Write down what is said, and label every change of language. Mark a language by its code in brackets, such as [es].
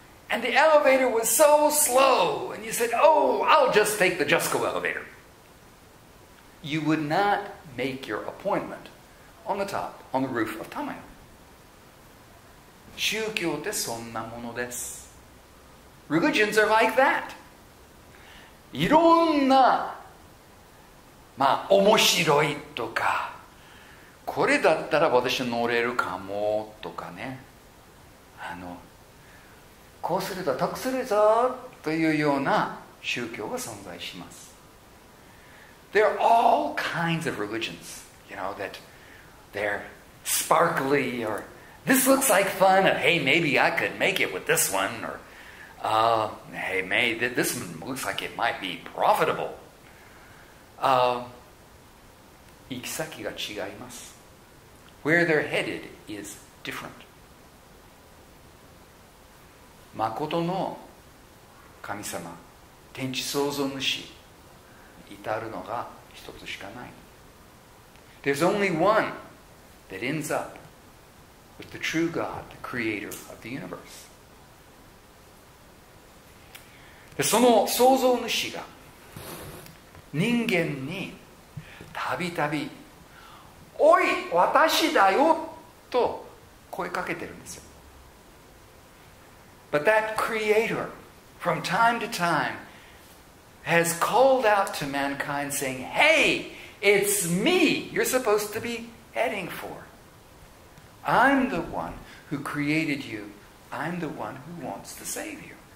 [en] And the elevator was so slow, and you said, oh, I'll just take the Jusco elevator. You would not make your appointment on the top, on the roof of Tamayo. [ja] 宗教ってそんなものです。 [en] Religions are like that. [ja] いろんな、まあ、面白いとか、これだったら私乗れるかもとかね。こうすると得するぞというような宗教が存在します。 [en] There are all kinds of religions, you know, that they're sparkly or this looks like fun and hey, maybe I could make it with this one or hey, maybe this one looks like it might be profitable. [ja] 行き先が違います。 [en] Where they're headed is different. [ja] まことの神様、天地創造主、至るのが一つしかない。 [en] There's only one that ends up with the true God, the creator of the universe. [ja] で、その創造主が人間にたびたび、おい、私だよと声かけてるんですよ。 [en] But that creator, from time to time, has called out to mankind saying, Hey, it's me you're supposed to be heading for. I'm the one who created you. I'm the one who wants to save you.